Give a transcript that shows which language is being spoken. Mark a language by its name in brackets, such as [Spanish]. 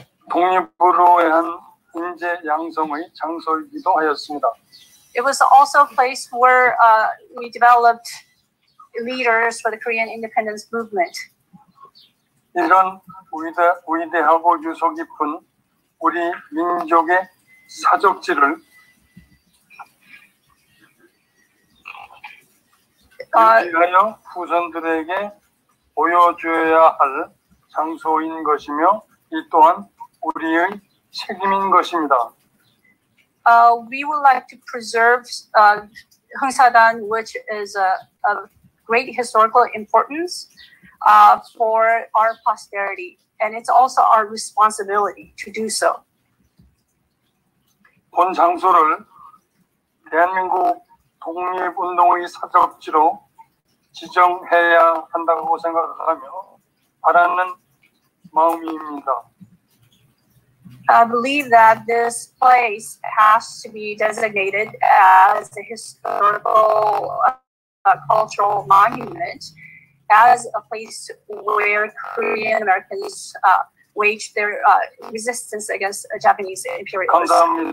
[Korean] 독립으로 한 인재 양성의 장소이기도 하였습니다. [English] It was also a place where we developed leaders for the Korean independence movement. [Korean] 이런 위대하고 유서 깊은 우리 민족의 사적지를 유지하여 후손들에게 보여줘야 할 장소인 것이며 이 또한 우리의 책임인 것입니다. [English] We would like to preserve Hung Sa Dahn, which is a great historical importance for our posterity. And it's also our responsibility to do so. [Korean] 본 장소를 대한민국 독립운동의 사적지로 지정해야 한다고 생각하며 바라는 마음입니다. [English] I believe that this place has to be designated as a historical cultural monument, as a place where Korean Americans waged their resistance against Japanese imperialism.